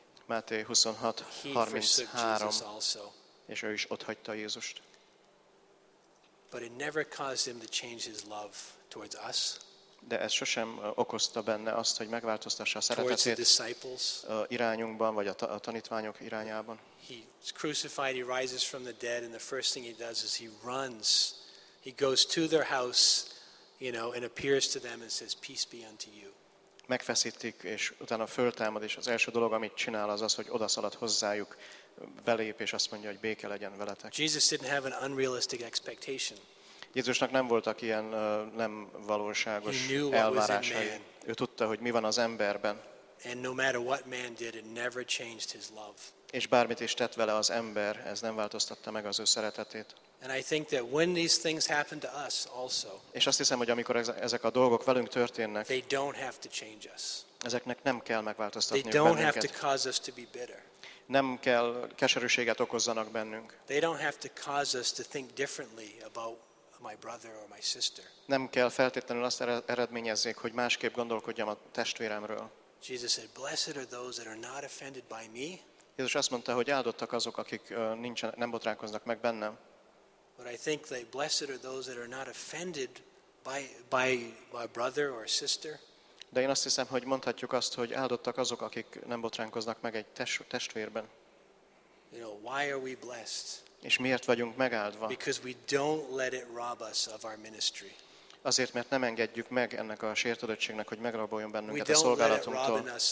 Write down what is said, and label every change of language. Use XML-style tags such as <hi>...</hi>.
<hu>Máté 26:33.</hu> <en>He forsook Jesus also.</en> <hu>És ő is ott hagyta Jézust.</hu> <en>But it never caused him to change his love towards us.</en> <hu>De ez sosem okozta benne azt, hogy megváltoztassa a szeretetét irányunkban, vagy a tanítványok irányában.</hu> <en>He's crucified, he rises from the dead, and the first thing he does is he runs. He goes to their house, you know, and appears to them and says, peace be unto you.</en> <hu>Megfeszítik, és utána föltámad, és az első dolog, amit csinál, az az, hogy odaszalad hozzájuk, belép, és azt mondja, hogy béke legyen veletek.</hu> <en>Jesus didn't have an unrealistic expectation.</en> <hu>Jézusnak nem voltak ilyen nem valóságos elvárásai. Ő tudta, hogy mi van az emberben.</hu> <en>And no matter what man did, it never changed his love.</en> <hu>És bármit is tett vele az ember, ez nem változtatta meg az ő szeretetét.</hu> <en>And I think that when these things happen to us also.</en> <hu>És azt hiszem, hogy amikor ezek a dolgok velünk történnek,</hu> <en>they don't have to change us.</en> <hu>Ezeknek nem kell megváltoztatniuk bennünket.</hu> <en>They don't have to cause us to be bitter.</en> <hu>Nem kell keserűséget okozzanak bennünk.</hu> <en>They don't have to cause us to think differently about my brother or my sister.</en> <hu>Nem kell feltétlenül azt eredményezzék, hogy másképp gondolkodjam a testvéremről.</hu> <en>Jesus said, "Blessed are those that are not offended by me."</en> <hu>Jézus azt mondta, hogy áldottak azok, akik nem botránkoznak meg bennem.</hu> <en>But I think that blessed are those that are not offended by my brother or sister.</en> <hu>De én azt hiszem, hogy mondhatjuk azt, hogy áldottak azok, akik nem botránkoznak meg egy testvérben.</hu> <en>You know, why are we blessed?</en> <hu>És miért vagyunk megáldva?</hu> <en>Because we don't let it rob us of our ministry.</en> <hu>Azért, mert nem engedjük meg ennek a sértődöttségnek, hogy megraboljon bennünket a szolgálatunktól.</hu>